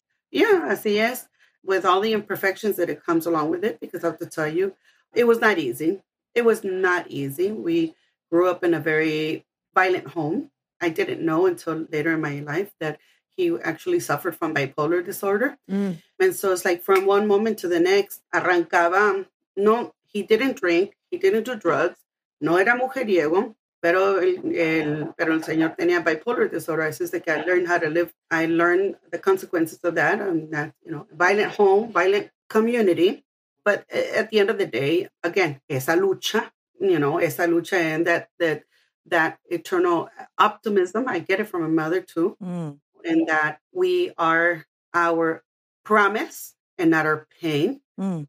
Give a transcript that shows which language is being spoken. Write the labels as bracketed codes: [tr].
[en] Yeah, as he is, with all the imperfections that it comes along with it, because I have to tell you, it was not easy. It was not easy. We grew up in a very violent home. I didn't know until later in my life that he actually suffered from bipolar disorder. Mm. And so it's like from one moment to the next, arrancaba. No, he didn't drink. He didn't do drugs. [es] No era mujeriego, pero el señor tenía bipolar disorder. [en] I says, like, I learned the consequences of that. And that, you know, violent home, violent community. But at the end of the day, again, [es] esa lucha, [en] you know, esa lucha and that eternal optimism, I get it from a mother too, and that we are our promise and not our pain. Mm.